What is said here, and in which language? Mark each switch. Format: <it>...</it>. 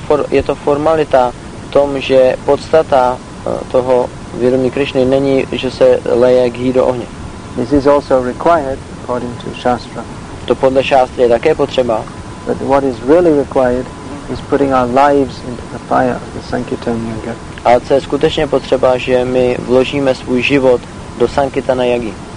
<cs>Je to formalita v tom, že podstata toho vědomí Krišny není, že se leje ghee do ohně.</cs> <en>This is also required according to Shastra.</en> <cs>To podle šástry je také potřeba.</cs> <en>But what is really required is putting our lives into the fire of the Sankirtan Yoga.</en> <cs>A co je skutečně potřeba, že my vložíme svůj život do Sankirtana Yogi.</cs>